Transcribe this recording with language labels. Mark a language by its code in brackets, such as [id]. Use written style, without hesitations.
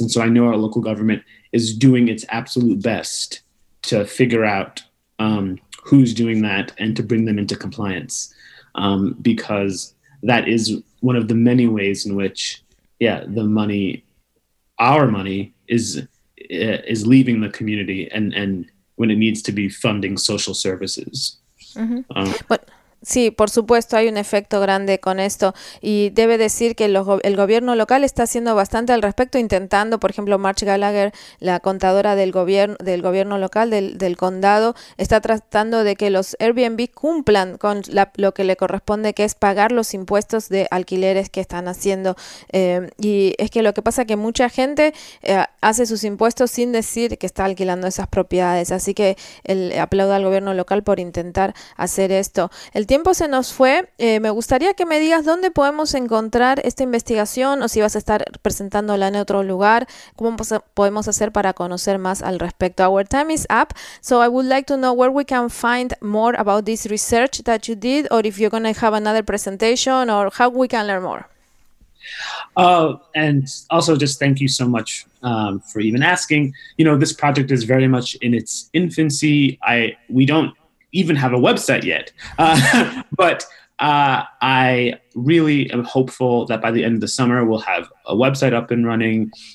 [en] And so I know our local government is doing its absolute best to figure out who's doing that and to bring them into compliance, because that is one of the many ways in which, yeah, the money, our money is leaving the community and when it needs to be funding social services. [es] But sí, por supuesto, hay un efecto grande con esto y debe decir que el gobierno local está haciendo bastante al respecto, intentando, por ejemplo, March Gallagher, la contadora del gobierno local del condado, está tratando de que los Airbnb cumplan con lo que le corresponde, que es pagar los impuestos de alquileres que están haciendo. Y es que lo que pasa es que mucha gente hace sus impuestos sin decir que está alquilando esas propiedades. Así que aplaudo al gobierno local por intentar hacer esto. El tiempo se nos fue. Me gustaría que me digas dónde podemos encontrar esta investigación o si vas a estar presentándola en otro lugar. ¿Cómo podemos hacer para conocer más al respecto? [en] Our time is up, so I would like to know where we can find more about this research that you did, or if you're going to have another presentation, or how we can learn more. And also just thank you so much for even asking. You know, this project is very much in its infancy. We don't even have a website yet, but I really am hopeful that by the end of the summer we'll have a website up and running.